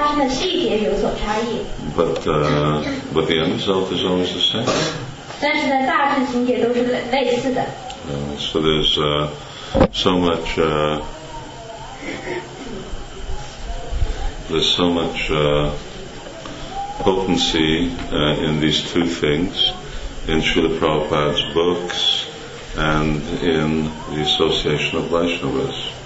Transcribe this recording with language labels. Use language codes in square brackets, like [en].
[zh] 不过呢，可能是这些具体发生的细节有所差异。 [en] But but the end result is always the same. [zh] 但是呢，大致情节都是类似的。 [en] So there's so much potency in these two things. In Srila Prabhupada's books and in the association of Vaishnavas.